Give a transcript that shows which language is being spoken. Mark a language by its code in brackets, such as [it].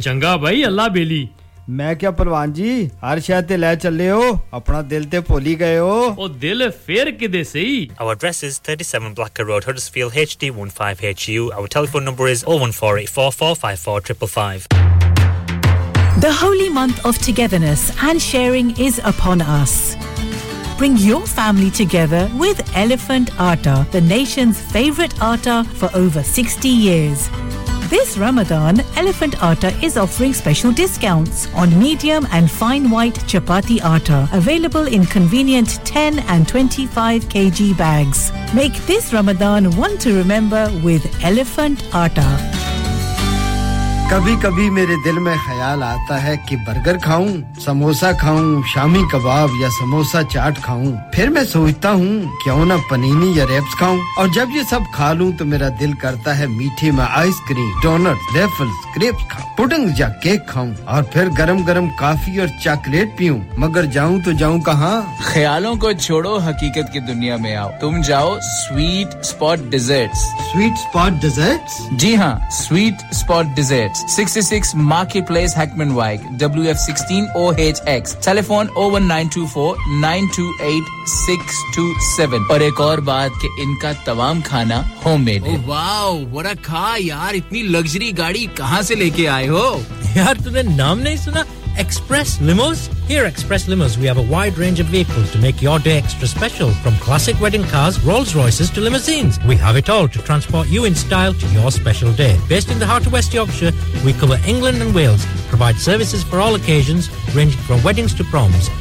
[pa] ਚੰਗਾ ਭਾਈ ਅੱਲਾ ਬੇਲੀ ਮੈਂ ਕਿਹਾ ਪਹਿਲਵਾਨ ਜੀ ਹਰ ਸ਼ਹਿ ਤੇ ਲੈ ਚੱਲੇ ਹੋ ਆਪਣਾ ਦਿਲ ਤੇ ਭੁੱਲ ਹੀ ਗਏ ਹੋ ਉਹ ਦਿਲ ਫੇਰ ਕਿਦੇ ਸਹੀ [en] Our address is 37 Blacker road Huddersfield HD15HU our telephone number is 01484-454-555 The holy month of togetherness and sharing is upon us. Bring your family together with Elephant Atta, the nation's favorite atta for over 60 years. This Ramadan, Elephant Atta is offering special discounts on medium and fine white chapati atta, available in convenient 10 and 25 kg bags. Make this Ramadan one to remember with Elephant Atta. [hi] कभी-कभी मेरे दिल में ख्याल आता है कि burger खाऊं, समोसा खाऊं, शामी कबाब या समोसा चाट खाऊं। फिर मैं सोचता हूं क्यों ना पनीनी या रेप्स खाऊं। और जब ये सब खा लूं तो मेरा दिल करता है मीठे में आइसक्रीम, डोनट, वेफल्स, क्रेप्स खाऊं, पुडिंग या केक खाऊं और फिर गरम-गरम कॉफी और चॉकलेट पीऊं। मगर जाऊं तो जाऊं कहां? ख्यालों को छोड़ो, हकीकत की दुनिया में आओ। तुम जाओ sweet spot desserts. Sweet spot desserts? जी हां, sweet spot desserts, 66 Market Place, Heckmondwijk, WF16OHX. [en] Telephone 01924-928-627. [hi] और एक और बात कि इनका तमाम खाना homemade है। [en] Oh, wow, what a car, यार! [hi] इतनी luxury गाड़ी कहाँ से लेके आए हो? यार तूने नाम नहीं सुना? Express Limos? [en] Here at Express Limos, we have a wide range of vehicles to make your day extra special. From classic wedding cars, Rolls Royces to limousines. We have it all to transport you in style to your special day. Based in the heart of West Yorkshire, we cover England and Wales, provide services for all occasions, ranging from weddings to proms.